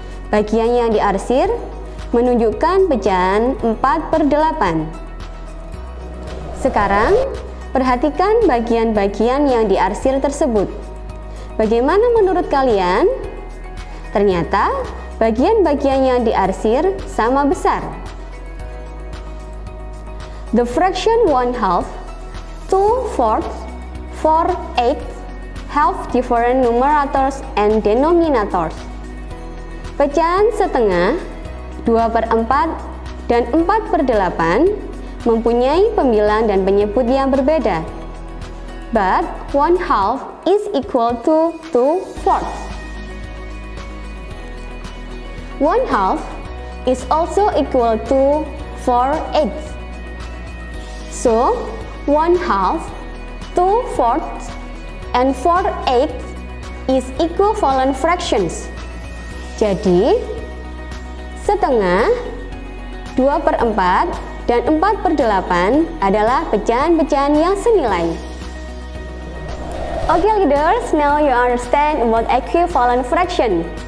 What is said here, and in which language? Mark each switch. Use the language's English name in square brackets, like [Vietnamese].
[Indonesian] Bagian yang diarsir menunjukkan pecahan 4/8. Sekarang, perhatikan bagian-bagian yang diarsir tersebut. Bagaimana menurut kalian? Ternyata, bagian-bagian yang diarsir sama besar. [English] The fraction one half, two fourths, four eighths have different numerators and denominators. [Indonesian] Pecahan setengah, 2/4, dan 4/8 mempunyai pembilang dan penyebut yang berbeda. [English] But one half is equal to two fourths. One half is also equal to 4/8. So, one half, 2/4, and 4/8 is equivalent fractions. [Indonesian] Jadi, setengah, 2/4, dan 4/8 adalah pecahan-pecahan yang senilai. [English] Okay, leaders, now you understand about equivalent fraction.